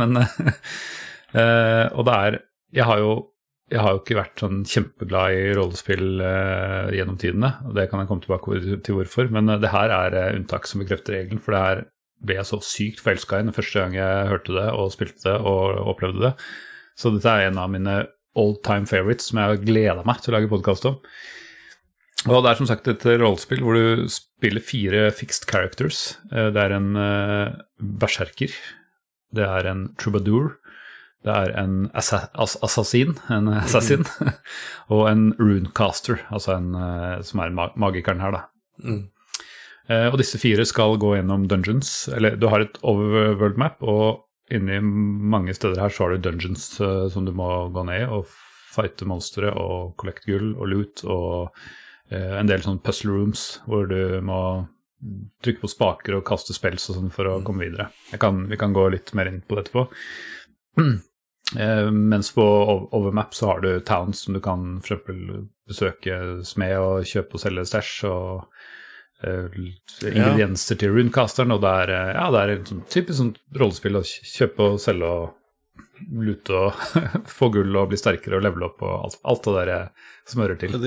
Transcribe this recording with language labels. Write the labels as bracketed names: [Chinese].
[Norwegian] Men, og det er, jeg har jo ikke vært sånn kjempeglad i rollespill gjennom tidene, og det kan jeg komme tilbake til hvorfor, men det her er unntak som bekrefter regelen, for det her ble jeg så sykt forelsket inn første gang jeg hørte det, og spilte det, og opplevde det. Så dette er en av mine all-time favorites, som jeg gleder meg til å lage podcast om. Og det er som sagt et rollespill hvor du spiller fire fixed characters. Det er en berserker, det er en troubadour, [Swedish] Det är en assassin och en runecaster, alltså en som är magikern här då. Och dessa fyra ska gå igenom dungeons, eller du har ett overworld map och inne i många städer här så har du dungeons som du måste gå ner och fighta monster och collect guld och loot och en del sån puzzle rooms där du måste trycka på spaker och kasta spells och sånt för att komma vidare. Vi kan gå lite mer in på det på. [Norwegian] Mens på overmap så har du towns som du kan for eksempel besøke smed og kjøpe og selge stash og ingredienser til runecasteren, og det er en sånn typisk sånn rollespill å kjøpe og selge og lute og få gull og bli sterkere og level opp og alt det der som hører til.